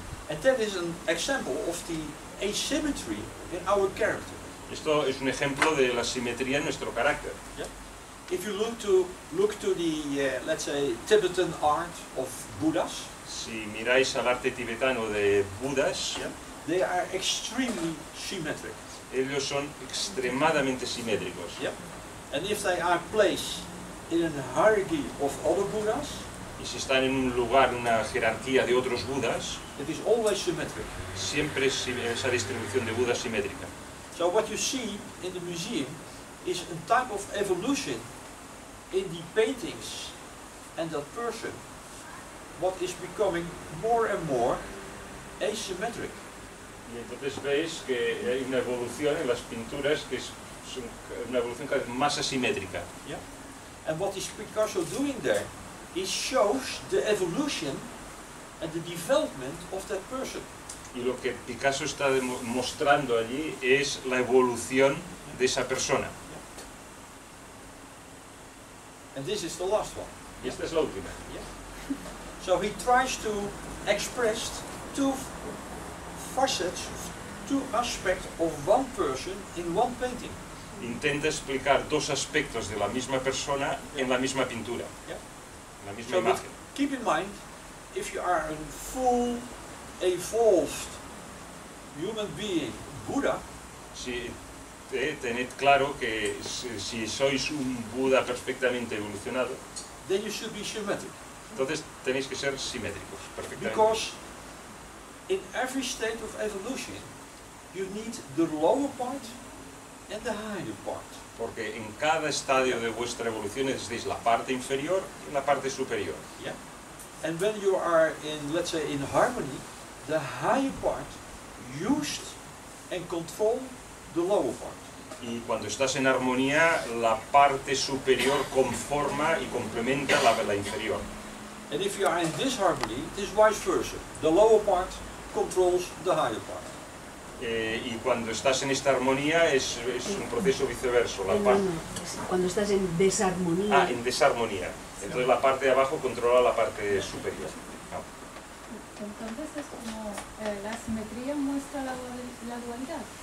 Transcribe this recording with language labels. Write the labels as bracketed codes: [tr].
[en] And that is an example of the asymmetry in our character. [es] Esto es un ejemplo de la simetría en nuestro carácter. [en] Yeah. If you look to the let's say Tibetan art of Buddhas. [es] Si miráis al arte tibetano de Budas, [en] yeah, they are extremely symmetric. [es] Ellos son extremadamente simétricos. [en] Yeah. And if they are placed in a hierarchy of other Buddhas, [es] y si están en un lugar, una jerarquía de otros Budas, [en] it is always symmetric. [es] Siempre es esa distribución de Budas simétrica. [en] So what you see in the museum is a type of evolution in the paintings and that person, what is becoming more and more asymmetric. [es] Y entonces veis que hay una evolución en las pinturas que es una evolución cada vez más asimétrica. [en] Yeah. And what is Picasso doing there? He shows the evolution and the development of that person. [es] Y lo que Picasso está mostrando allí es la evolución de esa persona. [en] Yeah. And this is the last one. [es] Y esta es la última. [en] Yeah. So he tries to express two facets, two aspects of one person in one painting. [es] Intenta explicar dos aspectos de la misma persona en la misma pintura. [en] Yeah. [es] La misma imagen. [en] Keep in mind, if you are a full evolved human being, Buddha. [es] Si tened claro que si sois un Buddha perfectamente evolucionado, [en] then you should be symmetric. [es] Entonces tenéis que ser simétricos, perfectamente. [en] Because in every state of evolution, you need the lower part and the higher part. [es] Porque en cada estadio de vuestra evolución necesitáis la parte inferior y la parte superior. [en] Yeah. And when you are in, let's say, in harmony, the higher part used and control the lower part. [es] Y cuando estás en armonía, la parte superior conforma y complementa la inferior. [en] And if you are in disharmony, it is vice versa. The lower part controls the higher part. [es] Y cuando estás en esta armonía es un proceso viceverso. La cuando estás en desarmonía. Ah, en desarmonía. Entonces la parte de abajo controla la parte superior. Entonces es como la asimetría muestra la dualidad.